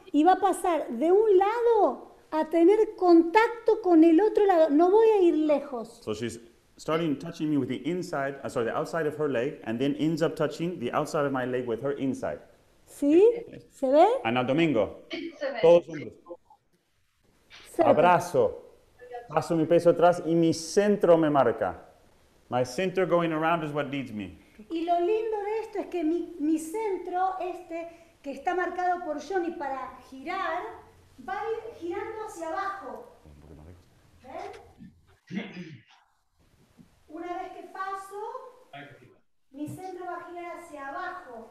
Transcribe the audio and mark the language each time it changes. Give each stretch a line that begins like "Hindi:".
Spanish: Y va a pasar de un lado a tener contacto con el otro lado. No voy a ir lejos.
English: So she's starting touching me with the inside, the outside of her leg, and then ends up touching the outside of my leg with her inside.
Spanish: ¿Sí? ¿Se ve? Ana Domingo. Se ve. Todos juntos. Abrazo. Paso mi peso atrás y mi centro me marca.
English: My center going around is what leads me.
Spanish: Y lo lindo de esto es que mi centro, este, que está marcado por Johnny para girar, va a ir girando hacia abajo. Un poquito más lejos. Una vez que paso, mi centro va a girar hacia abajo.